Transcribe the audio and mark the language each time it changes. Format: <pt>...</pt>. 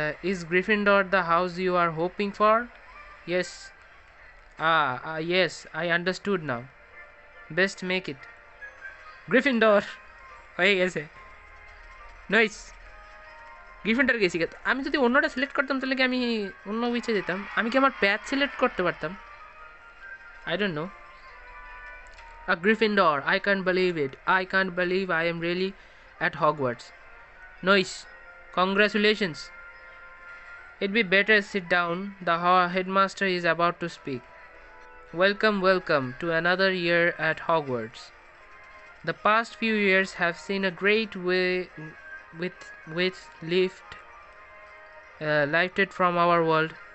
<en>Is Gryffindor the house you are hoping for? Yes, yes, I understood now. Best make it. Gryffindor!</en> <bn>হয়ে গেছে,</bn> <en>Nice.</en> <bn>Gryffindor গেছি কে? আমি যদি অন্যটা সিলেক্ট করতাম তাহলে কি আমি অন্য উইচে যেতাম? আমি কি আমার প্যাথ সিলেক্ট করতে পারতাম?</bn> <en>I don't know. Uh Gryffindor, I can't believe it. I can't believe I am really at Hogwarts. Nice. Congratulations. It'd be better sit down. The headmaster is about to speak. Welcome, welcome to another year at Hogwarts. The past few years have seen a great way with lift lifted from our world.</en>